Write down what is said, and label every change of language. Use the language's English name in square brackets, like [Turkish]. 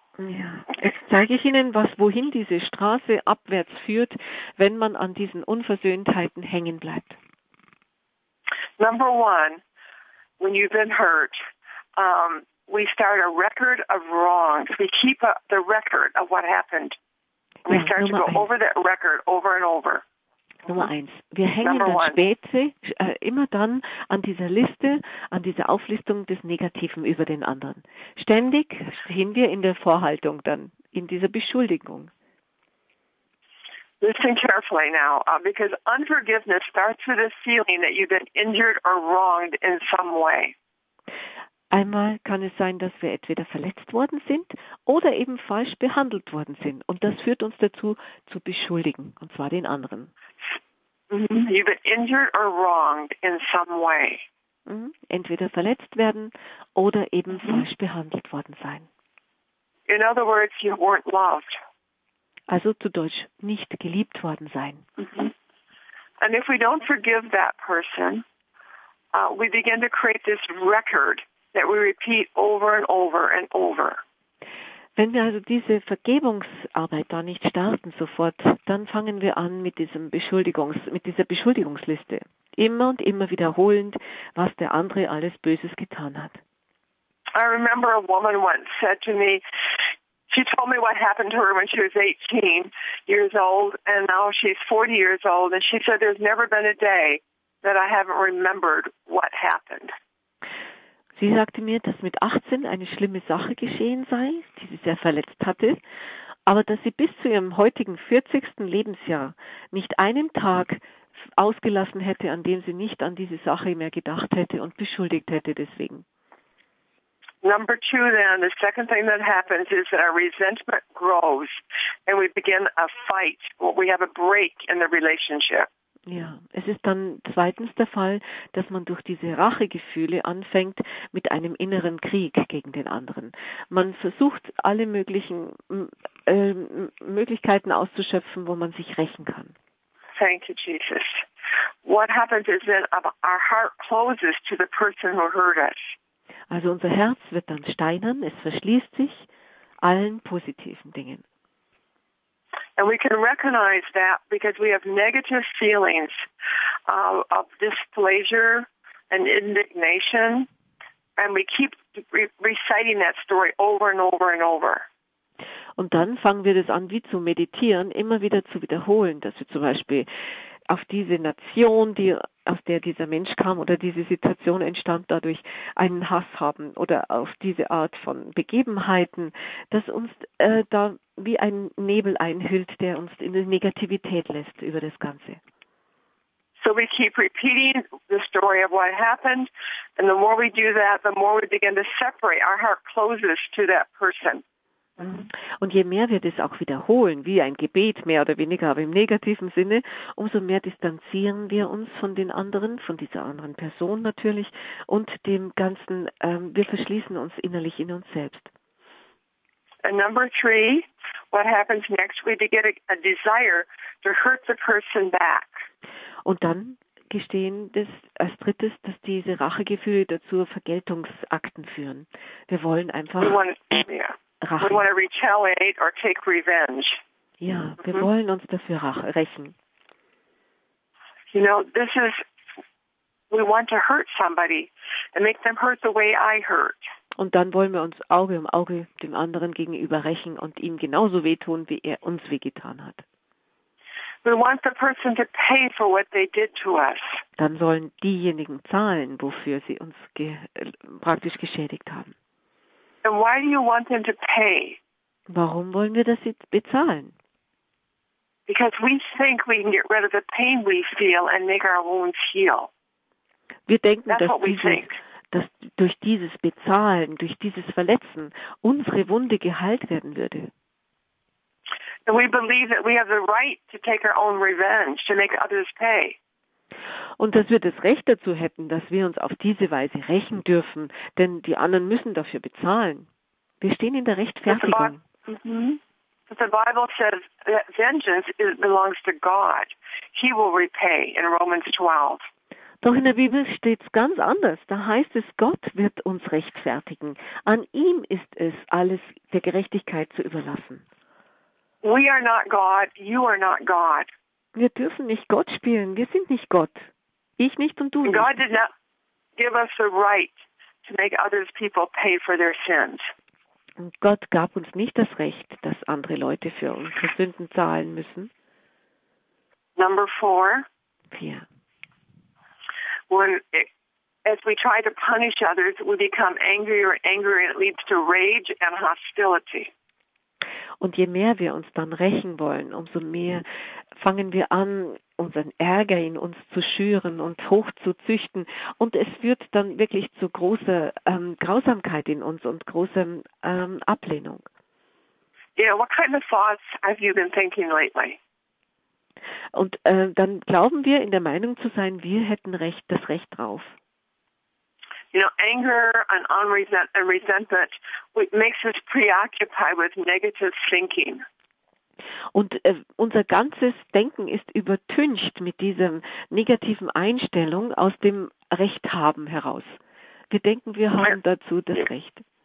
[German] Ja, jetzt zeige ich Ihnen, wohin diese Straße abwärts führt, wenn man an diesen Unversöhntheiten hängen bleibt. [English] Number one, when you've been hurt, we start a record of wrongs. We keep the record of what happened. We start to go over that record over and over. [German] Nummer eins. Wir hängen dann später immer dann an dieser Liste, an dieser Auflistung des Negativen über den anderen. Ständig stehen wir in der Vorhaltung dann, in dieser Beschuldigung. [English] Listen carefully now, because unforgiveness starts with a feeling that you've been injured or wronged in some way. [German] Einmal kann es sein, dass wir entweder verletzt worden sind oder eben falsch behandelt worden sind. Und das führt uns dazu, zu beschuldigen, und zwar den anderen. [English] You've been injured or wronged in some way. [German] Entweder verletzt werden oder eben falsch behandelt worden sein. [English] In other words, you weren't loved. [German] Also zu Deutsch, nicht geliebt worden sein. [English] And if we don't forgive that person, we begin to create this record that we repeat over and over and over. [German] Wenn wir also diese Vergebungsarbeit da nicht starten sofort, dann fangen wir an mit dieser Beschuldigungsliste. Immer und immer wiederholend, was der andere alles Böses getan hat. [English] I remember a woman once said to me, she told me what happened to her when she was 18 years old and now she's 40 years old and she said there's never been a day that I haven't remembered what happened. [German] Sie sagte mir, dass mit 18 eine schlimme Sache geschehen sei, die sie sehr verletzt hatte, aber dass sie bis zu ihrem heutigen 40. Lebensjahr nicht einen Tag ausgelassen hätte, an dem sie nicht an diese Sache mehr gedacht hätte und beschuldigt hätte deswegen. [English] Number two then, the second thing that happens is that our resentment grows and we begin a fight, we have a break in the relationship. [German] Ja, es ist dann zweitens der Fall, dass man durch diese Rachegefühle anfängt mit einem inneren Krieg gegen den anderen. Man versucht alle möglichen Möglichkeiten auszuschöpfen, wo man sich rächen kann. [English] Thank you, Jesus. What happens is then our heart closes to the person who hurt us. [German] Also unser Herz wird dann steinern, es verschließt sich allen positiven Dingen. [English] And we can recognize that because we have negative feelings of displeasure and indignation, and we keep reciting that story over and over and over. [German] Und dann fangen wir das an, wie zu meditieren, immer wieder zu wiederholen, dass wir zum Beispiel auf diese Nation, aus der dieser Mensch kam oder diese Situation entstand, dadurch einen Hass haben oder auf diese Art von Begebenheiten, dass uns da wie ein Nebel einhüllt, der uns in die Negativität lässt über das Ganze. [English] So we keep repeating the story of what happened, and the more we do that, the more we begin to separate. Our heart closes to that person. [German] Und je mehr wir das auch wiederholen, wie ein Gebet mehr oder weniger, aber im negativen Sinne, umso mehr distanzieren wir uns von den anderen, von dieser anderen Person natürlich und dem Ganzen, wir verschließen uns innerlich in uns selbst. [English] And number three, what happens next? We get a desire to hurt the person back. [German] Und dann gestehen das als drittes, dass diese Rachegefühle dazu Vergeltungsakten führen. Wir wollen einfach Rache. [English] We want to retaliate or take revenge. [German] Ja, wir wollen uns dafür rächen. [English] You know, this is, we want to hurt somebody and make them hurt the way I hurt. [German] Und dann wollen wir uns Auge um Auge dem anderen gegenüber rächen und ihm genauso wehtun, wie er uns wehgetan hat. [English] We want the person to pay for what they did to us. [German] Dann sollen diejenigen zahlen, wofür sie uns praktisch geschädigt haben. [English] And why do you want them to pay? [German] Warum wollen wir, dass sie bezahlen? [English] Because we think we can get rid of the pain we feel and make our wounds heal. [German] Wir denken, dass durch dieses Bezahlen, durch dieses Verletzen unsere Wunde geheilt werden würde. [English] And we believe that we have the right to take our own revenge, to make others pay. [German] Und dass wir das Recht dazu hätten, dass wir uns auf diese Weise rächen dürfen, denn die anderen müssen dafür bezahlen. Wir stehen in der Rechtfertigung. [English] But the Bible says that vengeance belongs to God. He will repay in Romans 12. [German] Doch in der Bibel steht es ganz anders. Da heißt es, Gott wird uns rechtfertigen. An ihm ist es, alles der Gerechtigkeit zu überlassen. [English] We are not God, you are not God. [German] Wir dürfen nicht Gott spielen. Wir sind nicht Gott. Ich nicht und du nicht. [English] God did not give us the right to make other people pay for their sins. [German] Und Gott gab uns nicht das Recht, dass andere Leute für unsere Sünden zahlen müssen. [English] Number four. [German] Vier. [English] When, as we try to punish others, we become angrier and angrier, and it leads to rage and hostility. [German] Und je mehr wir uns dann rächen wollen, umso mehr fangen wir an, unseren Ärger in uns zu schüren und hochzuzüchten. Und es führt dann wirklich zu großer Grausamkeit in uns und großer Ablehnung. [English] Yeah, what kind of thoughts have you been thinking lately? [German] Und dann glauben wir, in der Meinung zu sein, wir hätten Recht, das Recht drauf. [English] You know, anger and resentment makes us preoccupied with negative thinking. [German] Und unser ganzes Denken ist übertüncht mit dieser negativen Einstellung aus dem Recht haben heraus. Wir denken, wir haben dazu das Recht.